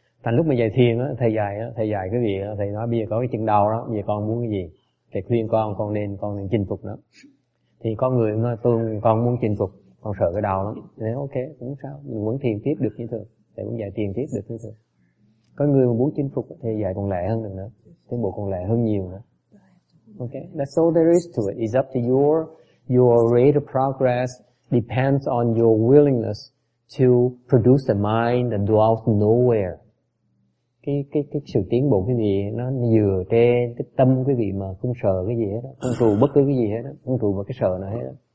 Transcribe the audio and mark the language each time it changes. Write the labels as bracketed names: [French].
[Vietnamese] Thành lúc mà dạy thiền á, thầy dạy cái gì á, thầy nói bây giờ có cái chân đau đó, bây giờ con muốn cái gì? Thầy khuyên con nên chinh phục nó. thì con người nói tôi còn muốn chinh phục, còn sợ cái đau lắm. Thế ok, cũng sao, mình muốn thiền tiếp được như thường, để cũng dạy thiền tiếp được như thường. Có người mà muốn chinh phục thì dạy còn lẹ hơn được nữa, tiến bộ còn lẹ hơn nhiều nữa. [English] Ok, that's all there is to it. It's up to your rate of progress depends on your willingness to produce a mind that dwells nowhere. [Vietnamese] Cái sự tiến bộ cái gì nó dựa trên cái tâm quý vị mà không sợ cái gì hết, không trù bất cứ cái gì hết, không trù vào cái sợ nào hết.